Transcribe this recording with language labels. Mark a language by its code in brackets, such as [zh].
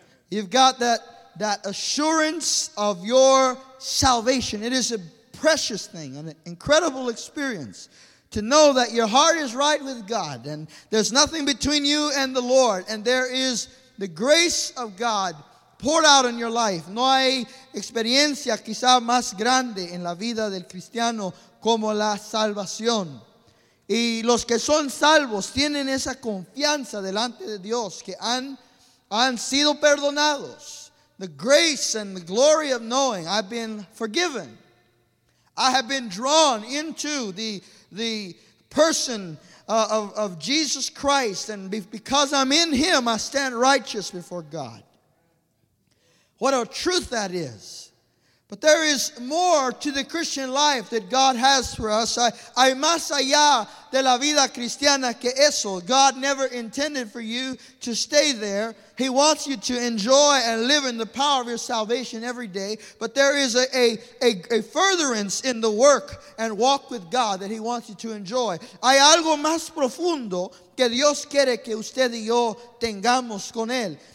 [en] You've got that assurance of your salvation. It is a precious thing, an incredible experience to know that your heart is right with God and there's nothing between you and the Lord, and there is the grace of God poured out in your life. [es] No hay experiencia quizá más grande en la vida del cristiano como la salvación. Y los que son salvos tienen esa confianza delante de Dios que han sido perdonados. [en] The grace and the glory of knowing I've been forgiven. I have been drawn into the person of Jesus Christ. And because I'm in him, I stand righteous before God. What a truth that is. But there is more to the Christian life that God has for us. [es] Hay más allá de la vida cristiana que eso. [en] God never intended for you to stay there. He wants you to enjoy and live in the power of your salvation every day. But there is a furtherance in the work and walk with God that he wants you to enjoy. [es] Hay algo más profundo que Dios quiere que usted y yo tengamos con él.